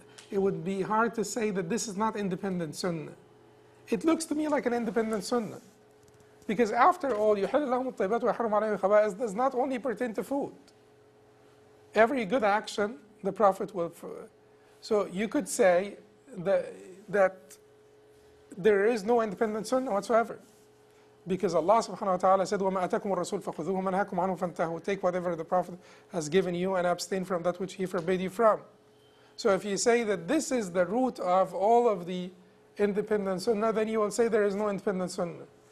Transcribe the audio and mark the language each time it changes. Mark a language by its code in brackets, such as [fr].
[en] It would be hard to say that this is not independent Sunnah. It looks to me like an independent Sunnah. Because after all, [ar] يُحِلُّ لَهُمُ الطَّيِّبَاتُ وَيُحَرِّمُ عَلَيْهِمُ الْخَبَائِثُ [en] does not only pertain to food. Every good action, the Prophet will So you could say that there is no independent sunnah whatsoever. Because Allah subhanahu wa ta'ala said, [ar] وَمَا أَتَكُمُ الرَّسُولُ فَخُذُوهُ مَنْ هَكُمْ عَنْهُ فَانْتَهُوا. [en] Take whatever the Prophet has given you and abstain from that which he forbade you from. So if you say that this is the root of all of the independent sunnah, then you will say there is no independent sunnah.